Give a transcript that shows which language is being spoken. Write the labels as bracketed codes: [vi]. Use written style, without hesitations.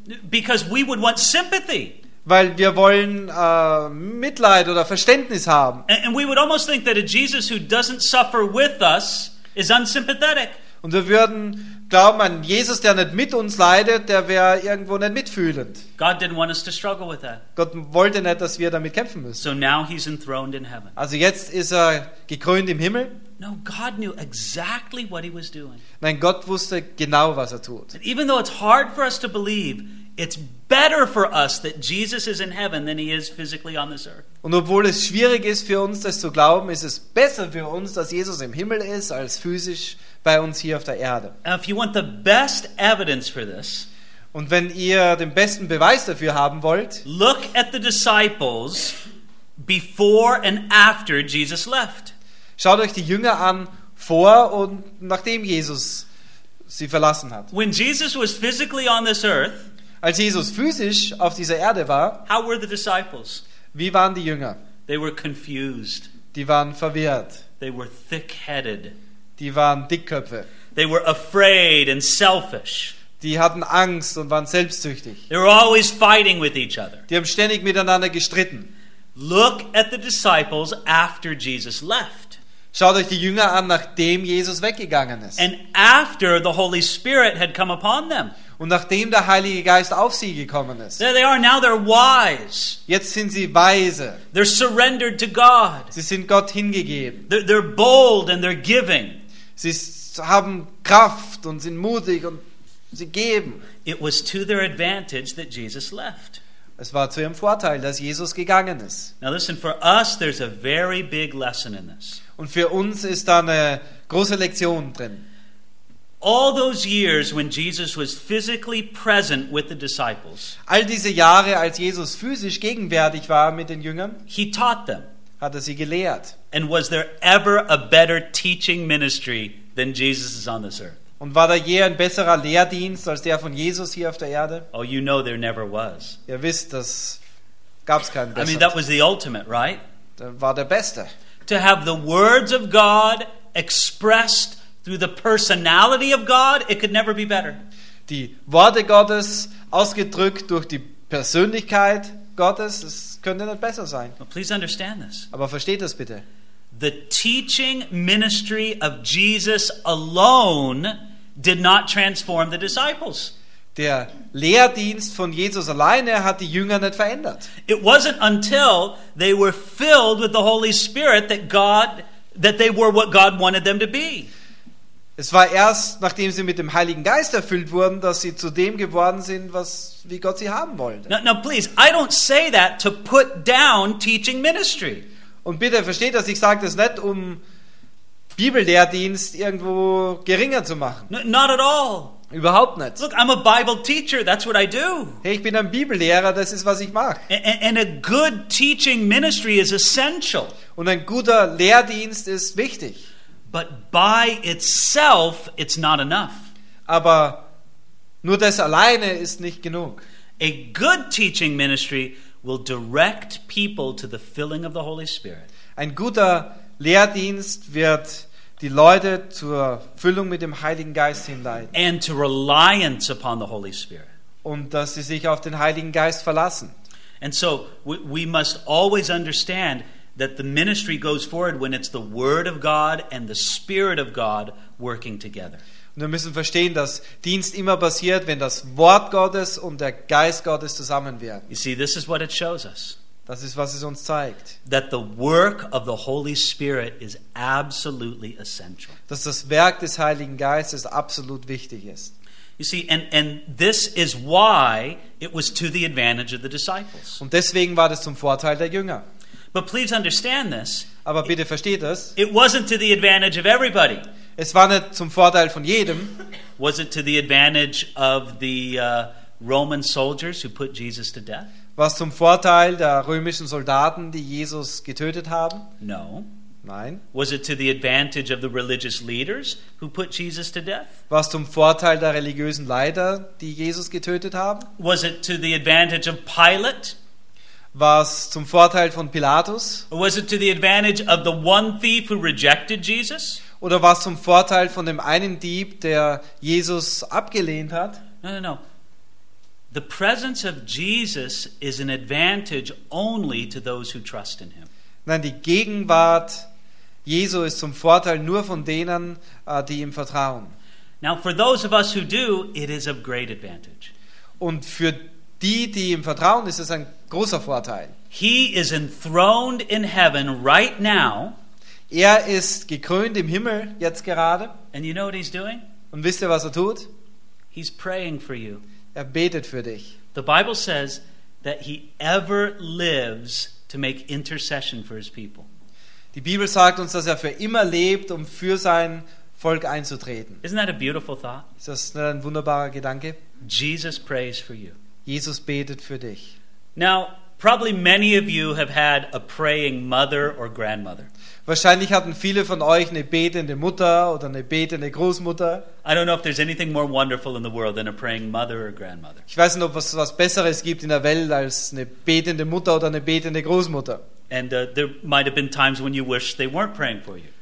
[en] Because we would want sympathy. [de] Weil wir wollen Mitleid oder Verständnis haben. [en] And we would almost think that a Jesus who doesn't suffer with us is unsympathetic. [de] Und wir würden glauben, ein Jesus, der nicht mit uns leidet, der wäre irgendwo nicht mitfühlend. [en] God didn't want us to struggle with that. [de] Gott wollte nicht, dass wir damit kämpfen müssen. [en] So now he's enthroned in heaven. [de] Also jetzt ist er gekrönt im Himmel. [en] No, God knew exactly what he was doing. [de] Nein, Gott wusste genau, was er tut. [en] And even though it's hard for us to believe, it's better for us that Jesus is in heaven than he is physically on this earth. [de] Und obwohl es schwierig ist für uns, das zu glauben, ist es besser für uns, dass Jesus im Himmel ist, als physisch bei uns hier auf der Erde. [en] Now, if you want the best evidence for this, [de] und wenn ihr den besten Beweis dafür haben wollt, [en] look at the disciples before and after Jesus left. [de] Schaut euch die Jünger an, vor und nachdem Jesus sie verlassen hat. [en] When Jesus was physically on this earth, [de] als Jesus physisch auf dieser Erde war, [en] how were the disciples? [de] Wie waren die Jünger? [en] They were confused. [de] Die waren verwirrt. [en] They were thick-headed. [de] Die waren Dickköpfe. [en] They were afraid and selfish. [de] Die hatten Angst und waren selbstsüchtig. [en] They were always fighting with each other. [de] Die haben ständig miteinander gestritten. [en] Look at the disciples after Jesus left. [de] Schaut euch die Jünger an, nachdem Jesus weggegangen ist. [en] And after the Holy Spirit had come upon them. [de] Und nachdem der Heilige Geist auf sie gekommen ist. [en] There they are, now they're wise. [de] Jetzt sind sie weise. [en] They're surrendered to God. [de] Sie sind Gott hingegeben. [en] They're bold and they're giving. [de] Sie haben Kraft und sind mutig und sie geben. [en] It was to their advantage that Jesus left. [de] Es war zu ihrem Vorteil, dass Jesus gegangen ist. [en] Now listen, for us there's a very big lesson in this. [de] Und für uns ist da eine große Lektion drin. [en] All those years when Jesus was physically present with the disciples. [de] All diese Jahre, als Jesus physisch gegenwärtig war mit den Jüngern. [en] He taught them. [de] Hat er sie gelehrt. [en] And was there ever a better teaching ministry than Jesus is on this earth? [de] Und war da je ein besserer Lehrdienst als der von Jesus hier auf der Erde? [en] Oh, you know there never was. [de] Ihr wisst, das gab's keinen besseren. [en] I mean, that was the ultimate, right? [de] Das war der Beste. [en] To have the words of God expressed through the personality of God, it could never be better. [de] Die Worte Gottes ausgedrückt durch die Persönlichkeit Gottes, es könnte nicht besser sein. [en] But please understand this. [de] Aber versteht das bitte. [en] The teaching ministry of Jesus alone did not transform the disciples. [de] Der Lehrdienst von Jesus alleine hat die Jünger nicht verändert. [en] It wasn't until they were filled with the Holy Spirit that God that they were what God wanted them to be. [de] Es war erst, nachdem sie mit dem Heiligen Geist erfüllt wurden, dass sie zu dem geworden sind, was wie Gott sie haben wollte. [en] Now, please, I don't say that to put down teaching ministry. [de] Und bitte versteht, dass ich sage das nicht, um Bibellehrdienst irgendwo geringer zu machen. [en] Not at all. [de] Überhaupt nicht. [en] Look, I'm a Bible teacher. That's what I do. [de] Hey, ich bin ein Bibellehrer. Das ist, was ich mache. [en] And a good teaching ministry is essential. [de] Und ein guter Lehrdienst ist wichtig. [en] But by itself, it's not enough. [de] Aber nur das alleine ist nicht genug. [en] A good teaching ministry will direct people to the filling of the Holy Spirit. [de] Ein guter Lehrdienst wird die Leute zur Füllung mit dem Heiligen Geist hinleiten. [en] And to reliance upon the Holy Spirit. [de] Und dass sie sich auf den Heiligen Geist verlassen. [en] And so we must always understand that the ministry goes forward when it's the Word of God and the Spirit of God working together. [de] Und wir müssen verstehen, dass Dienst immer passiert, wenn das Wort Gottes und der Geist Gottes zusammenwirken. [en] You see, this is what it shows us. [de] Das ist, was es uns zeigt. [en] That the work of the Holy Spirit is absolutely essential. [de] Dass das Werk des Heiligen Geistes absolut wichtig ist. [en] You see, and this is why it was to the advantage of the disciples. [de] Und deswegen war das zum Vorteil der Jünger. [en] But please understand this. [de] Aber bitte versteht das. [en] It wasn't to the advantage of everybody. [de] Es war nicht zum Vorteil von jedem. [en] Was it to the advantage of the Roman soldiers who put Jesus to death? [de] Was zum Vorteil der römischen Soldaten, die Jesus getötet haben? [en] No. [de] Nein. [en] Was it to the advantage of the religious leaders who put Jesus to death? [de] Was zum Vorteil der religiösen Leiter, die Jesus getötet haben? [en] Was it to the advantage of Pilate? [de] Was zum Vorteil von Pilatus? [en] Or was it to the advantage of the one thief who rejected Jesus? [de] Oder was zum Vorteil von dem einen Dieb, der Jesus abgelehnt hat? [en] No. The presence of Jesus is an advantage only to those who trust in him. [de] Nein, die Gegenwart Jesu ist zum Vorteil nur von denen, die ihm vertrauen. [en] Now for those of us who do, it is of great advantage. [de] Und für die, die ihm vertrauen, ist es ein großer Vorteil. [en] He is enthroned in heaven right now. [de] Er ist gekrönt im Himmel jetzt gerade. [en] And you know what he's doing? [de] Und wisst ihr, was er tut? [en] He's praying for you. [de] Er betet für dich. [en] The Bible says that he ever lives to make intercession for his people. [de] Die Bibel sagt uns, dass er für immer lebt, um für sein Volk einzutreten. [en] Isn't that a beautiful thought? [de] Ist das nicht ein wunderbarer Gedanke? [en] Jesus prays for you. [de] Jesus betet für dich. [en] Now, probably many of you have had a praying mother or grandmother. [de] Wahrscheinlich hatten viele von euch eine betende Mutter oder eine betende Großmutter. [en] I don't know if there's anything more wonderful in the world than a praying mother or grandmother. [de] Ich weiß nicht, ob es was Besseres gibt in der Welt als eine betende Mutter oder eine betende Großmutter. [en] And there might have been times when you wished they weren't praying for you.